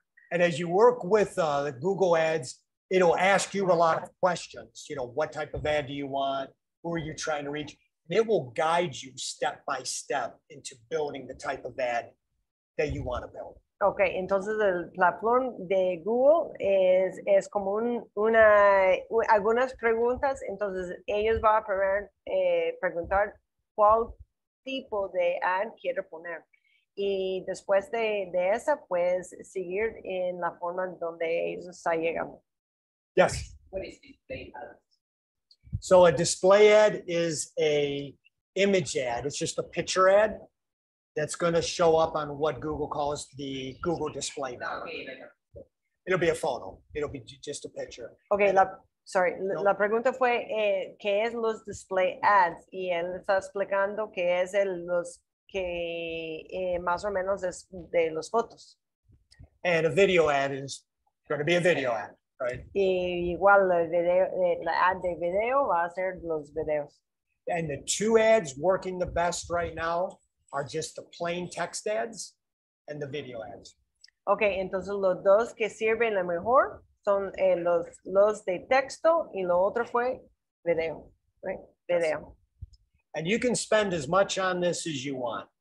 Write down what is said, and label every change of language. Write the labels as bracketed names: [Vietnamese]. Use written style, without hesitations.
[English] And as you work with the Google Ads, it'll ask you a lot of questions. You know, what type of ad do you want? Who are you trying to reach? And it will guide you step by step into building the type of ad that you want to build. [Spanish] Okay, entonces el platform de Google es como una algunas preguntas. Entonces ellos van a primero preguntar cuál tipo de ad quiere poner. Y después de esa, puedes seguir en la forma donde ellos están llegando. [English] Yes. What is display ads? So a display ad is a image ad. It's just a picture ad that's going to show up on what Google calls the Google display bar. It'll be a photo. It'll be just a picture. [Spanish] Okay, la pregunta fue, ¿qué es los display ads? Y él está explicando qué es los que más o menos es de los fotos. [English] And a video ad is going to be a video ad, right? [Spanish] Y igual la ad de video va a ser los videos. [English] And the 2 ads working the best right now are just the plain text ads and the video ads. [Spanish] Okay, entonces los dos que sirven la mejor son los de texto y lo otro fue video, [English] right? Video. Yes. And you can spend as much on this as you want.